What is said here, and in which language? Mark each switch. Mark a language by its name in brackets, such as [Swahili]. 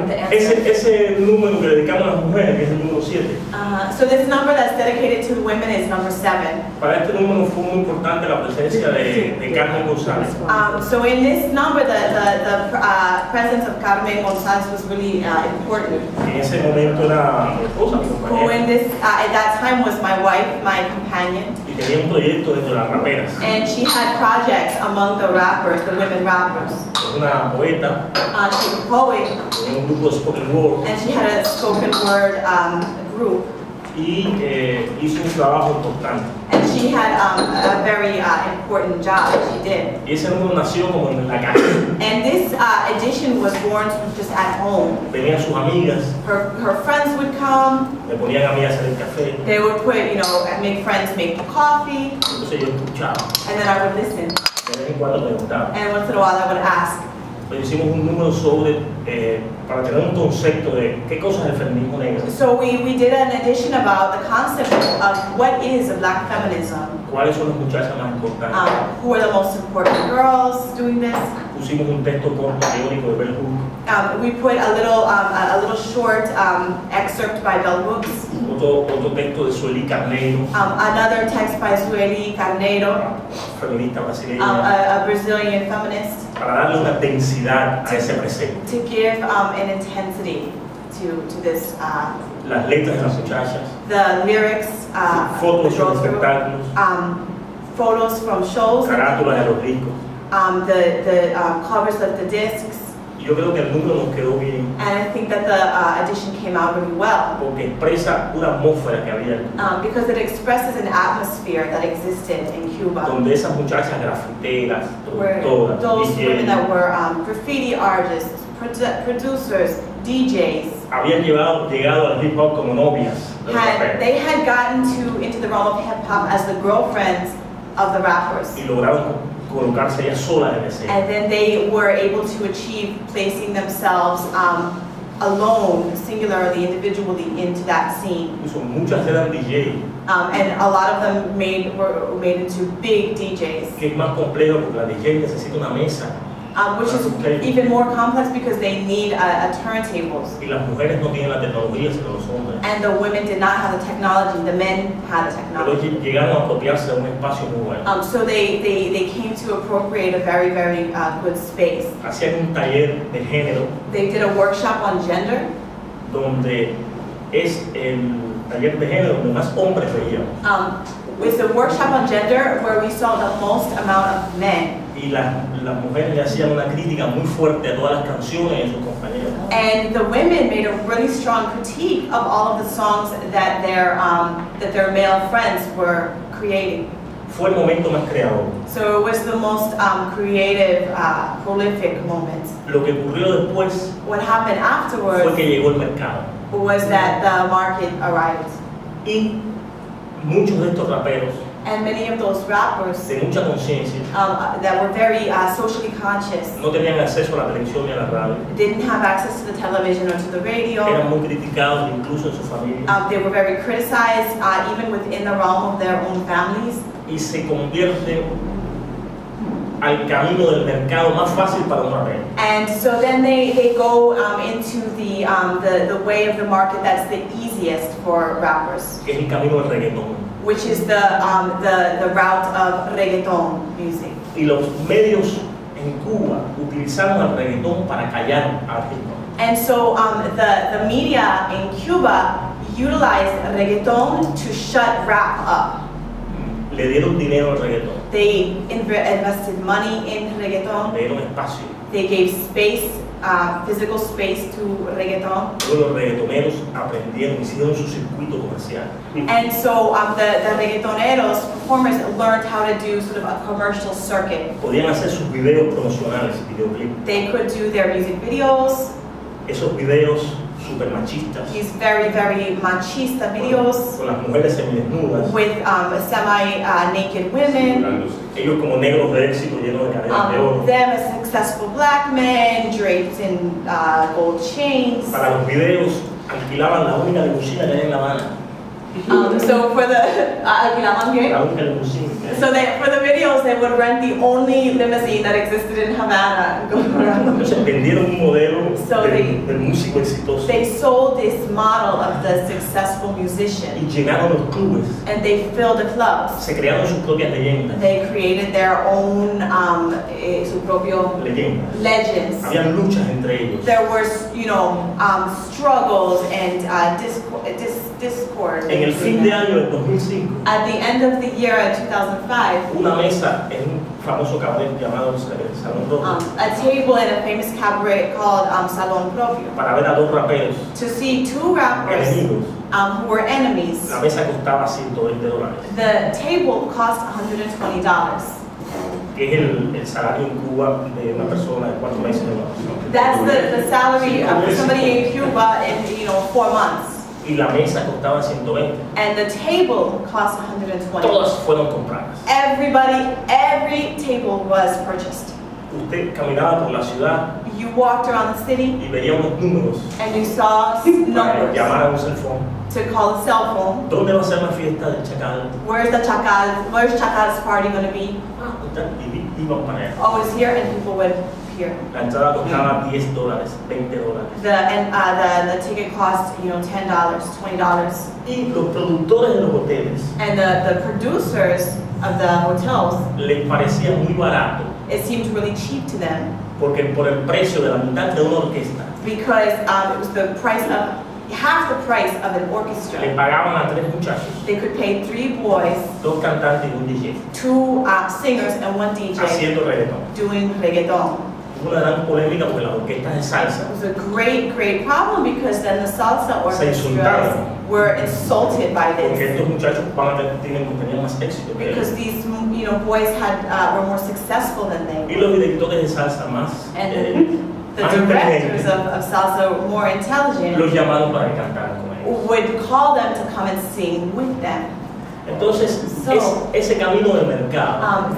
[Spanish] ese número que dedicamos a las mujeres, que es el número 7. [English] So this number that's dedicated to women is number 7. [Spanish] Para este número fue muy importante la presencia de Carmen González. [English] So in this number, the presence of Carmen González was really important. [Spanish] En ese momento era mi esposa, mi compañera. [English] Who in this, at that time was my wife, my companion. [Spanish] Y tenía un proyecto dentro de las raperas. [English] And she had projects among the rappers, the women rappers. [Spanish] Una poeta. [English] She was a poet. [Spanish] En un grupo de spoken word. [English] And she had a spoken word group. [Spanish] Y hizo un trabajo importante. [English] And she had a very important job that she did. [Spanish] Y ese número nació como en la casa. [English] And this edition was born just at home. [Spanish] Venían sus amigas. [English] Her friends would come. [Spanish] Le ponían amigas en el café. [English] They would put, make friends make the coffee. [Spanish] Entonces yo escuchaba. [English] And then I would listen. And once in a while I would ask. [Spanish] Pues hicimos un número sobre para tener un concepto de qué cosa es el feminismo negro. [English] So we did an edition about the concept of what is a black feminism. [Spanish] ¿Cuáles son las muchachas más importantes? [English] Who are the most important girls doing this? [Spanish] Pusimos un texto corto teórico de Bell Hooks. [English] We put a little short excerpt by Bell Hooks. [Spanish] Otro texto de Sueli Carneiro. [English] Another text by Sueli Carneiro. [Spanish] Feminista brasileña. [English] A Brazilian feminist. [Spanish] Para darle una densidad a ese presente. [English] To give an intensity to this. [Spanish] Las letras de las muchachas. [English] The lyrics. [Spanish] Fotos de espectáculos. [English] Photos from shows. [Spanish] Carátulas de los discos. [English] The covers of the discs. [Spanish] Yo creo que el número nos quedó bien. [English] And I think that the edition came out really well. [Spanish] Porque expresa una atmósfera que había en Cuba. [English] Because it expresses an atmosphere that existed in Cuba. [Spanish] Donde esas muchachas grafiteras, doctoras, [English] those women that were graffiti artists, producers, DJs. [Spanish] Habían llegado al hip hop como novias. [English] They had gotten into the realm of hip hop as the girlfriends of the rappers. [Spanish] Y lograron colocarse ella sola en escena. [English] And then they were able to achieve placing themselves alone, singularly, individually into that scene. [Spanish] Incluso muchas eran DJ. [English] And a lot of them were made into big DJs. [Spanish] Que es más complejo porque la DJ necesita una mesa. [English] Which is even more complex because they need a turntables. [Spanish] Y las mujeres no tienen la tecnología, sino los hombres. [English] And the women did not have the technology, the men had the technology. [Spanish] Pero llegaron a apropiarse de un espacio muy bueno. [English] So they came to appropriate a very, very good space. [Spanish] Hacían un taller de género. [English] They did a workshop on gender. [Spanish] Donde es el taller de género donde más hombres veíamos. [English] With the workshop on gender where we saw the most amount of men. [Spanish] Y las mujeres le hacían una crítica muy fuerte a todas las canciones de sus compañeros. [English] And the women made a really strong critique of all of the songs that their male friends were creating. [Spanish] Fue el momento más creador. [English] So it was the most prolific moment. [Spanish] Lo que ocurrió después, [English] what happened afterwards, [Spanish] fue que llegó el mercado. [English] Was that the market arrived. [Spanish] Y muchos de estos raperos, [English] and many of those rappers [Spanish] de mucha conciencia, [English] that were very socially conscious, [Spanish] no tenían acceso a la televisión ni a la radio, [English] didn't have access to the television or to the radio, [Spanish] eran muy criticados incluso en su familia, [English] they were very criticized even within the realm of their own families, [Spanish] y se convierte al camino del mercado más fácil para un rapero. [English] And so then they go into the way of the market that's the easiest for rappers, [Spanish] que es el camino del reggaeton, [English] which is the route of reggaeton music. [Spanish] Y los medios en Cuba utilizaron el reggaeton para callar al ritmo. [English] And so the media in Cuba utilized reggaeton to shut rap up. [Spanish] Le dieron dinero al reggaeton. [English] They invested money in reggaeton. [Spanish] Le dieron espacio. [English] They gave space, physical space to reggaeton. [Spanish] Luego los reggaetoneros aprendieron, hicieron su circuito comercial. [English] And so the reggaetoneros, performers, learned how to do sort of a commercial circuit. [Spanish] Podían hacer sus videos promocionales, videoclips. [English] They could do their music videos. [Spanish] Esos videos super machistas. [English] These very, very machista videos. [Spanish] Con las mujeres semidesnudas. [English] With semi naked women. [Spanish] Ellos como negros de éxito llenos de cadenas de oro. [English] Them as successful black men draped in gold chains. [Spanish] Para los videos alquilaban la única limusina que había en La Habana. [English] So for the [Spanish] alquilaban qué? La única limusina. [English] So that for the videos, they would rent the only limousine that existed in Havana. [Spanish] Vendieron un modelo del músico exitoso. [English] They sold this model of the successful musician. [Spanish] Y llenaron los clubes. [English] And they filled the clubs. [Spanish] Se crearon sus propias leyendas. [English] They created their own [Spanish] su propio [English] legends. [Spanish] Habían luchas entre ellos. [English] There were, you know, struggles and discord. [Spanish] En el fin de año del 2005. [English] At the end of the year 2005. [Spanish] Una mesa en un famoso cabaret llamado Salón Propio. [English] A table in a famous cabaret called Salón Propio. [Spanish] Para ver a dos raperos. [English] To see two rappers. [Spanish] Enemigos. [English] Who were enemies. [Spanish] La mesa costaba $120. [English] The table cost $120. [Spanish] Que es el salario en Cuba de una persona de 4 meses de trabajo. [English] That's the salary of somebody in Cuba in, you know, 4 months. [Spanish] Y la mesa costaba 120. [English] And the table cost 120. [Spanish] Todas fueron compradas. [English] Every table was purchased. [Spanish] Usted caminaba por la ciudad. [English] You walked around the city. [Spanish] Y veía unos números. [English] And you saw numbers. [Spanish] Llamar a un [English] cell phone. To call a cell phone. [Spanish] ¿Dónde va a ser la fiesta del chacal? [English] Where's the chacal? Where's chacal's party gonna be? [Spanish] Iban para allá. [English] Oh, it's here, and people went. [Spanish] La entrada costaba $10, $20. [English] The ticket cost, you know, $10, $20. [Spanish] Y los productores de los hoteles. [English] And the producers of the hotels. [Spanish] Les parecía muy barato. [English] It seemed really cheap to them. [Spanish] Porque por el precio de la mitad de una orquesta. [English] Because it was the price of half the price of an orchestra. [Spanish] Le pagaban a tres muchachos. [English] They could pay three boys. [Spanish] Dos cantantes y un DJ. [English] Two singers and one DJ. [Spanish] Haciendo reggaeton. [English] Doing reggaeton. [Spanish] Una gran polémica porque las orquestas de salsa. [English] It was a great, great problem because then the salsa orchestras were insulted by this. [Spanish] Porque estos muchachos van a tener más éxito. [English] Because these, you know, boys had were more successful than they. [Spanish] Y los directores de salsa más. [English] And the directors of salsa more intelligent. [Spanish] Los llamaron para cantar con ellos. [English] Would call them to come and sing with them. [Spanish] Entonces, ese camino de mercado,